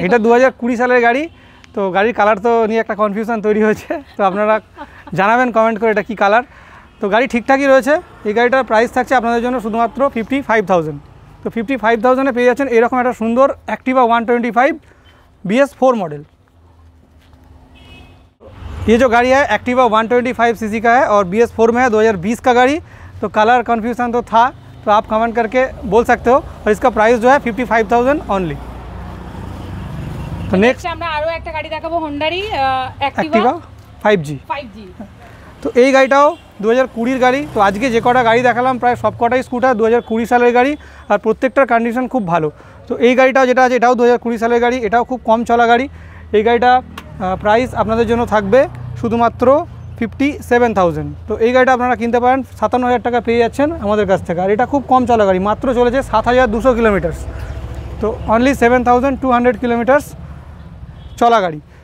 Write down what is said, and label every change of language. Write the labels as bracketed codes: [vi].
[bn] এটা 2020 সালের গাড়ি, তো গাড়ির কালার তো নিয়ে একটা কনফিউশন তৈরি হয়েছে, তো আপনারা জানাবেন কমেন্ট করে এটা কি কালার। তো গাড়ি ঠিকঠাকই রয়েছে, এই গাড়িটার প্রাইস থাকছে আপনাদের জন্য শুধুমাত্র 55,000, তো 55,000 পেয়ে যাচ্ছেন এরকম একটা সুন্দর অ্যাক্টিভা 125 BS4 মডেল। [hi] ये जो गाड़ी है एक्टिवा 125 सीसी का है और BS4 में है, 2020 का गाड़ी, तो कलर कन्फ्यूजन तो था, तो आप कमेंट करके बोल सकते हो, और इसका प्राइस जो है 55,000 ओनली। [bn] तो नेक्स्ट हमरा आरो एकटा गाड़ी देखाबो, होंडारी एक्टिवा 5G। [hi] तो ये [bn] গাড়িটাও 2020 গাড়ি, তো আজকে যে কটা গাড়ি দেখালাম প্রায় সবকটাই স্কুটার, 2020 সালের গাড়ি, আর প্রত্যেকটার কন্ডিশন খুব ভালো। তো এই গাড়িটাও যেটা আছে, এটাও 2020 সালের গাড়ি, এটাও খুব কম চলা গাড়ি। এই গাড়িটা প্রাইস আপনাদের জন্য থাকবে শুধুমাত্র 57,000, তো এই গাড়িটা আপনারা কিনতে পারেন, 57,000 টাকা পেয়ে যাচ্ছেন আমাদের কাছ থেকে, আর এটা খুব কম চলা গাড়ি, মাত্র চলেছে 7,200 কিলোমিটার, তো অনলি 7,200 কিলোমিটার চলা গাড়ি।